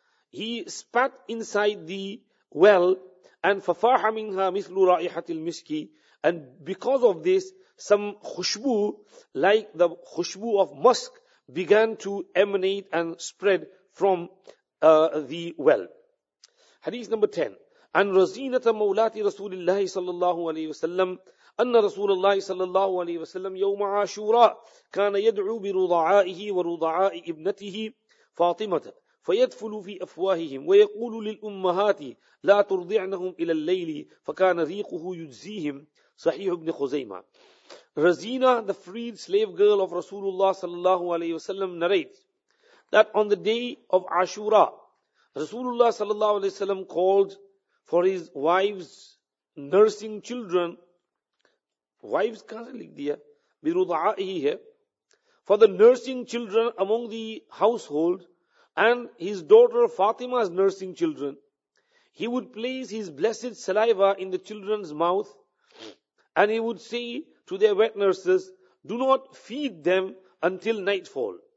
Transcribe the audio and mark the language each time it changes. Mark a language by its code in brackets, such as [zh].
[en] He spat inside the well, and [ar] فَفَاحَ مِنْهَا مِثْلُ رَائِحَةِ الْمِسْكِ [en] And because of this, some khushbu, like the khushbu of musk, began to emanate and spread from the well. Hadith number 10. [ar] And رَزِينَةَ مَوْلَاتِ رَسُولِ اللَّهِ صَلَّى اللَّهُ عَلَيْهِ وَسَلَّمْ أَنَّ رَسُولَ اللَّهِ صَلَّى اللَّهُ عَلَيْهِ وَسَلَّمْ يَوْمَ عَاشُورَى كَانَ يَدْعُو بِرُضَعَائِهِ وَرُضَعَاءِ ابْنَتِهِ فَاطِمَةَ فَيَدْفُلُ فِي أَفْوَاهِهِمْ وَيَقُولُ لِلْأُمَّهَاتِ لَا تُرْضِعْنَهُمْ إِلَى اللَّيْلِ فَكَانَ رِيقُهُ يُجْزِيهِمْ صَحِيحُ ابْنِ خُزَيْمَةَ [en] Razina, the freed slave girl of Rasulullah sallallahu alayhi wa sallam, narrates that on the day of Ashura, Rasulullah sallallahu alayhi wa sallam called for his wife's nursing children, wives can't like diya, birudha'ihi hai, for the nursing children among the household, and his daughter Fatima's nursing children, he would place his blessed saliva in the children's mouth, and he would say to their wet nurses, do not feed them until nightfall.